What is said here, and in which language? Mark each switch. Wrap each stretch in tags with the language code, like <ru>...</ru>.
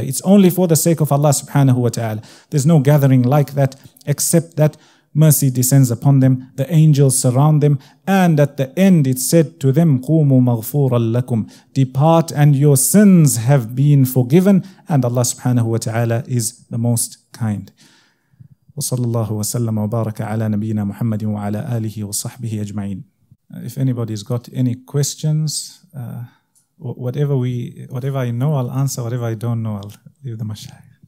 <en>It's only for the sake of Allah subhanahu wa ta'ala. There's no gathering like that, except that mercy descends upon them, the angels surround them, and at the end it said to them,</en> <ar>قُومُوا مَغْفُورًا لَكُمْ,</ar> <en>depart and your sins have been forgiven, and Allah subhanahu wa ta'ala is the most kind.</en> <ar>وصلى الله وسلم وبارك على نبينا محمد وعلى آله وصحبه أجمعين.</ar> <en>If anybody's got any questions, whatever I know, I'll answer. Whatever I don't know, I'll leave the mashayikh.</en>